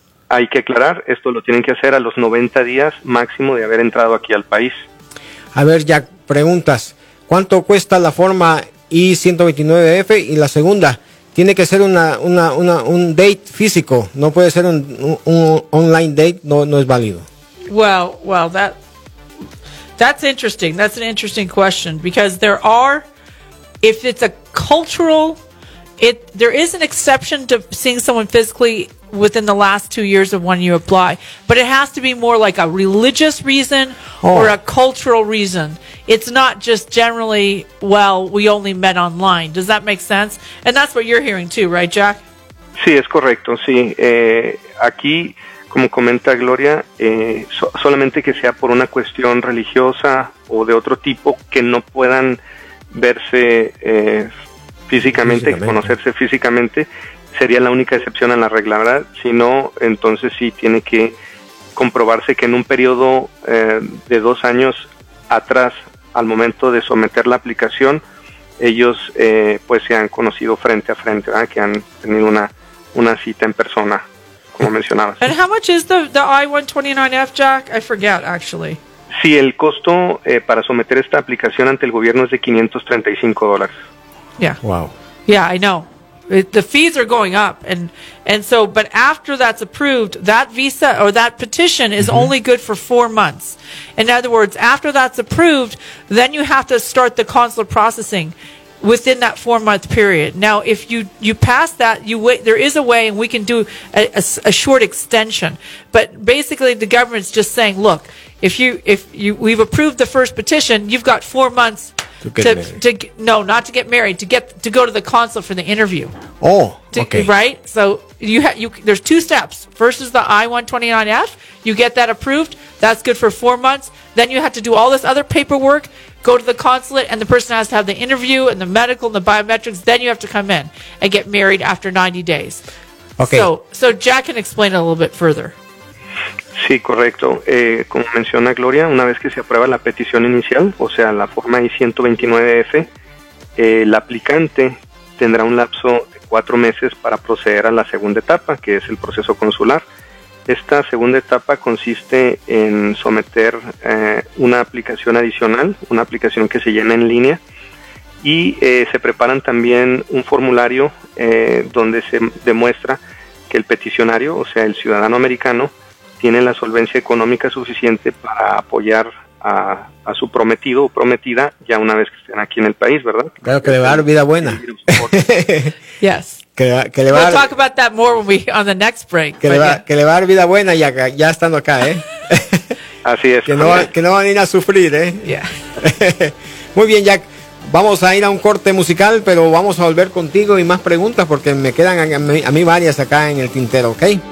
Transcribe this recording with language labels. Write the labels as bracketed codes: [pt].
[es] Hay que aclarar, esto lo tienen que hacer a los 90 días máximo de haber entrado aquí al país. A ver, Jack, preguntas. ¿Cuánto cuesta la forma I-129F? Y la segunda, tiene que ser un date físico, no puede ser un online date, no es válido. [en] That's interesting. That's an interesting question because there are, if it's a cultural, there is an exception to seeing someone physically within the last 2 years of when you apply, but it has to be more like a religious reason or a cultural reason. It's not just generally, well, we only met online. Does that make sense? And that's what you're hearing too, right, Jack? [es] Sí, es correcto. Sí, aquí. Como comenta Gloria, solamente que sea por una cuestión religiosa o de otro tipo que no puedan verse físicamente, conocerse físicamente, sería la única excepción a la regla, ¿verdad? Si no, entonces sí tiene que comprobarse que en un periodo de 2 años atrás, al momento de someter la aplicación, ellos pues se han conocido frente a frente, ¿verdad? Que han tenido una cita en persona. [en] And how much is the I-129F, Jack? I forget, actually. [es] Sí, el costo para someter esta aplicación ante el gobierno es de $535. [en] Yeah. Wow. Yeah, I know. The fees are going up. But after that's approved, that visa or that petition is only good for 4 months. In other words, after that's approved, then you have to start the consular processing within that 4 month period. Now, if you pass that, there is a way, and we can do a short extension. But basically, the government's just saying, look, we've approved the first petition, you've got 4 months to go to the consul for the interview. Oh, okay. Right? So there's two steps. First is the I-129F. You get that approved. That's good for 4 months. Then you have to do all this other paperwork. Go to the consulate, and the person has to have the interview and the medical and the biometrics. Then you have to come in and get married after 90 days. Okay. So Jack can explain it a little bit further. [es] Sí, correcto. Como menciona Gloria, una vez que se aprueba la petición inicial, o sea, la forma I-129F, el aplicante tendrá un lapso de 4 meses para proceder a la segunda etapa, que es el proceso consular. Esta segunda etapa consiste en someter una aplicación adicional, una aplicación que se llena en línea, y se preparan también un formulario donde se demuestra que el peticionario, o sea, el ciudadano americano, tiene la solvencia económica suficiente para apoyar a su prometido o prometida ya una vez que estén aquí en el país, ¿verdad? Claro, que le va a dar vida buena. [en] Yes. [es] Que le [en] we'll talk about that more when on the next break. [es] Que le va a dar vida buena ya estando acá, ¿eh? Así es. Que no van a ir a sufrir, ¿eh? [en] Yeah. [es] Muy bien, Jack. Vamos a ir a un corte musical, pero vamos a volver contigo y más preguntas porque me quedan a mí varias acá en el tintero, ¿ok?